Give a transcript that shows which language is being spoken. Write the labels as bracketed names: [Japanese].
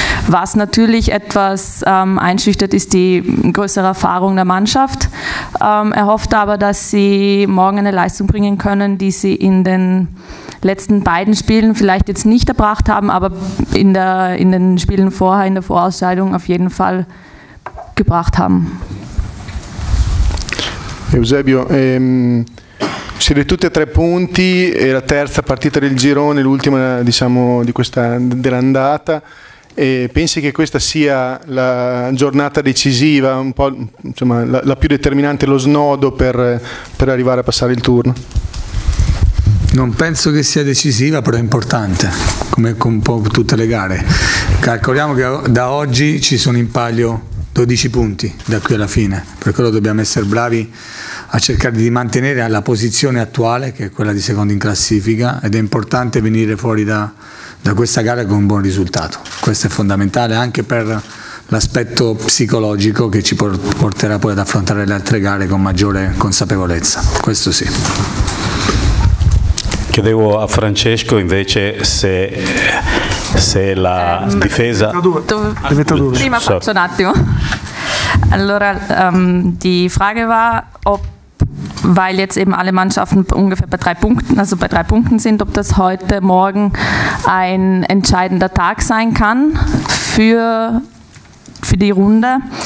[German] Was natürlich etwas einschüchtert, ist die größere Erfahrung der Mannschaft. Er hofft aber, dass sie morgen eine Leistung bringen können, die sie in den letzten beiden Spielen vielleicht jetzt nicht erbracht haben, aber in den Spielen vorher, in der Vorausscheidung auf jeden Fall gebracht haben. [Italian] Eusebio, siete tutti a tre punti, è la terza partita del girone, l'ultima diciamo di questa dell'andata. E pensi che questa sia la giornata decisiva, un po' insomma la più determinante, lo snodo per arrivare a passare il turno? Non penso che sia decisiva, però è importante, come con un po' tutte le gare. Calcoliamo che da oggi ci sono in palio 12 punti da qui alla fine, per quello dobbiamo essere bravi a cercare di mantenere la posizione attuale, che è quella di secondo in classifica, ed è importante venire fuori da questa gara con un buon risultato. Questo è fondamentale anche per l'aspetto psicologico che ci porterà poi ad affrontare le altre gare con maggiore consapevolezza, questo sì. Chiedevo a Francesco invece se la difesa... Prima faccio un attimo. [German] Allora, die Frage war, ob, weil jetzt eben alle Mannschaften ungefähr bei 3 Punkten, also bei 3 Punkten sind, ob das heute Morgen ein entscheidender Tag sein kann für die Runde.